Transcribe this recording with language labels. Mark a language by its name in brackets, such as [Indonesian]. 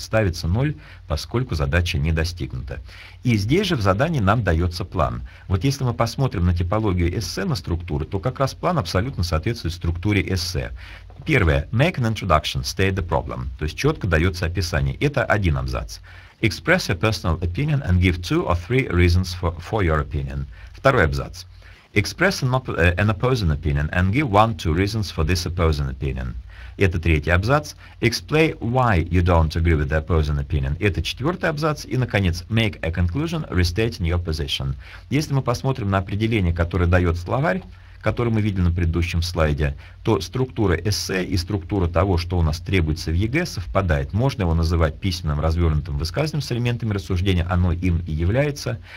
[Russian] Ставится 0, поскольку задача не достигнута. И здесь же в задании нам дается план. Вот если мы посмотрим на типологию эссе, на структуру, то как раз план абсолютно соответствует структуре эссе. Первое. [English] Make an introduction, state the problem. [Russian] То есть четко дается описание. Это один абзац. [English] Express your personal opinion and give two or three reasons for your opinion. [Russian] Второй абзац. [English] Express an opposing opinion and give one or two reasons for this opposing opinion. [Russian] Это третий абзац. [English] Explain why you don't agree with the opposing opinion. [Russian] Это четвертый абзац. И, наконец, [English] make a conclusion, restate your position. [Russian] Если мы посмотрим на определение, которое дает словарь, которое мы видели на предыдущем слайде, то структура эссе и структура того, что у нас требуется в ЕГЭ, совпадает. Можно его называть письменным развернутым высказыванием с элементами рассуждения, оно им и является.